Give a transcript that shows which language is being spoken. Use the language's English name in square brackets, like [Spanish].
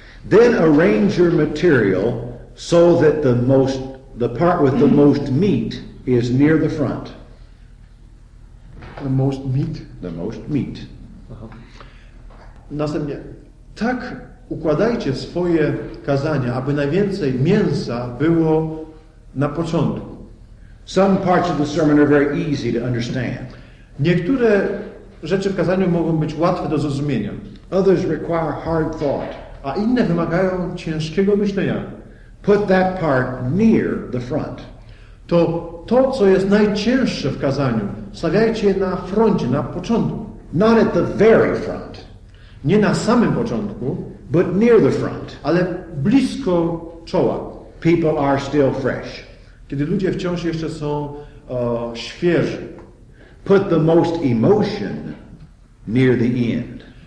[English] Then arrange your material so that the part with the most meat is near the front. The most meat? The most meat. Aha. [Polish] Następnie, tak układajcie swoje kazania, aby najwięcej mięsa było na początku. [English] Some parts of the sermon are very easy to understand. [Polish] Niektóre rzeczy w kazaniu mogą być łatwe do zrozumienia. [English] Others require hard thought. [Polish] A inne wymagają ciężkiego myślenia. [English] Put that part near the front. [Polish] To, co jest najcięższe w kazaniu, stawiajcie na froncie, na początku. [English] Not at the very front. [Polish] Nie na samym początku. [English] But near the front. [Polish] Ale blisko czoła. [English] People are still fresh. [Polish] Kiedy ludzie wciąż jeszcze są świeży. [English] Put the most emotion near the end.